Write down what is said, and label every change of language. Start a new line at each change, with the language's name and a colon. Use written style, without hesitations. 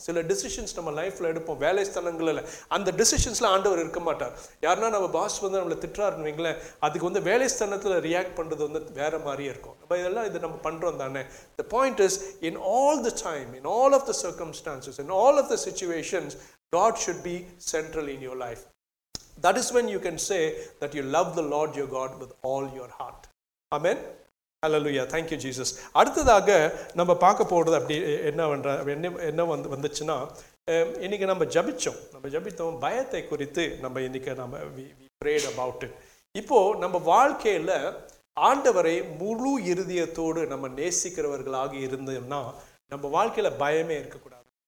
Tamil: சில டிசிஷன்ஸ் நம்ம லைஃப்பில் எடுப்போம், வேலை ஸ்தலங்களில் அந்த டிசிஷன்ஸில் ஆண்டவர் இருக்க மாட்டார். யாருன்னா நம்ம பாஸ் வந்து நம்மளை திட்டுறாருன்னுவீங்களேன், அதுக்கு வந்து வேலை ஸ்தலத்தில் ரியாக்ட் பண்ணுறது வந்து வேறு மாதிரியே இருக்கும். நம்ம இதெல்லாம் இது நம்ம பண்ணுறோம் தானே.
English: The point is in all the time, in all of the circumstances and all of the situations, God should be central in your life. That is when you can say that you love the Lord your God with all your heart. Amen. Hallelujah. Thank you Jesus.
Tamil: அடுத்ததாக நம்ம பார்க்க போறது அப்படி என்ன வந்துச்சுனா, இன்னைக்கு நம்ம ஜெபிச்சோம் பயத்தை குறித்து. நம்ம இன்னைக்கு
English: we prayed about it.
Tamil: இப்போ நம்ம வாழ்க்கையில ஆண்டவரை முழு இருதயத்தோடு நம்ம நேசிக்கிறவர்களாக இருந்தோம்னா நம்ம வாழ்க்கையில் பயமே இருக்கக்கூடாது.